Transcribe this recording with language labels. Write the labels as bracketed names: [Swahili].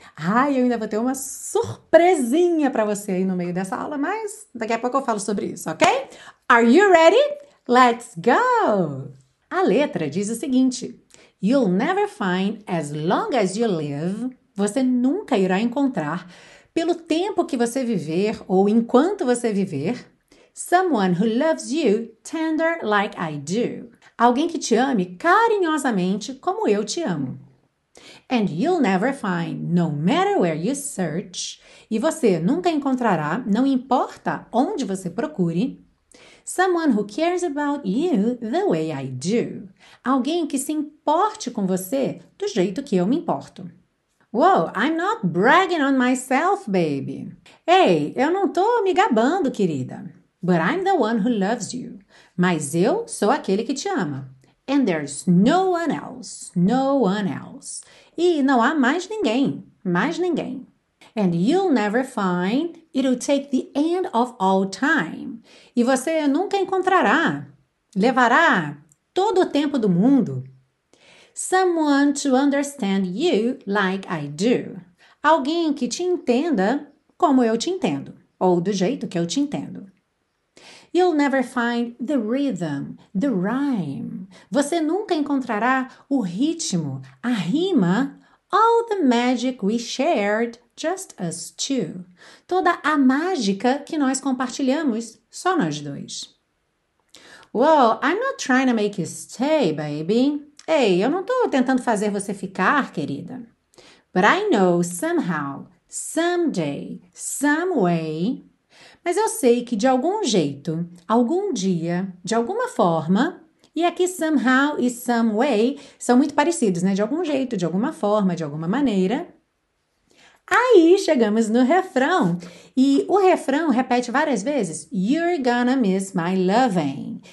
[Portuguese] Ai, eu ainda vou ter uma surpresinha para você aí no meio dessa aula, mas daqui a pouco eu falo sobre isso, ok? [English] Are you ready? Let's go! [Portuguese] A letra diz o seguinte: [English] You'll never find as long as you live. [Portuguese] Você nunca irá encontrar pelo tempo que você viver ou enquanto você viver. [English] Someone who loves you tender like I do. [Portuguese] Alguém que te ame carinhosamente como eu te amo. [English] And you'll never find, no matter where you search. [Portuguese] E você nunca encontrará, não importa onde você procure. [English] Someone who cares about you the way I do. [Portuguese] Alguém que se importe com você do jeito que eu me importo. [English] Wow, I'm not bragging on myself, baby. [Portuguese] Ei, eu não tô me gabando, querida. [English] But I'm the one who loves you. [Portuguese] Mas eu sou aquele que te ama. [English] And there's no one else. No one else. [Portuguese] E não há mais ninguém. Mais ninguém. [English] And you'll never find. It'll take the end of all time. [Portuguese] E você nunca encontrará. Levará todo o tempo do mundo. [English] Someone to understand you like I do. [Portuguese] Alguém que te entenda como eu te entendo. Ou do jeito que eu te entendo. [English] You'll never find the rhythm, the rhyme. [Portuguese] Você nunca encontrará o ritmo, a rima, [English] all the magic we shared, just us two. [Portuguese] Toda a mágica que nós compartilhamos, só nós dois. [English] Well, I'm not trying to make you stay, baby. [Portuguese] Ei, eu não tô tentando fazer você ficar, querida. [English] But I know somehow, someday, some way. [Portuguese] Mas eu sei que de algum jeito, algum dia, de alguma forma, e aqui somehow e some way são muito parecidos, né? De algum jeito, de alguma forma, de alguma maneira. Aí chegamos no refrão. E o refrão repete várias vezes, [English] you're gonna miss my loving.